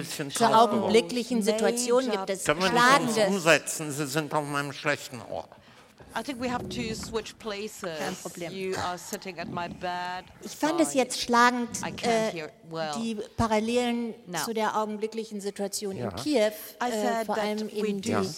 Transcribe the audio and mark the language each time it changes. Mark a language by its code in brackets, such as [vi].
[de] Zur augenblicklichen Situation gibt es schlagende. Können wir das umsetzen? Sie sind auf meinem schlechten Ohr. [en] I think we have to switch places. [de] Kein Problem. [en] You are sitting at my bed. [de] Ich fand es jetzt schlagend, die Parallelen zu der augenblicklichen Situation in Kiew, vor allem eben die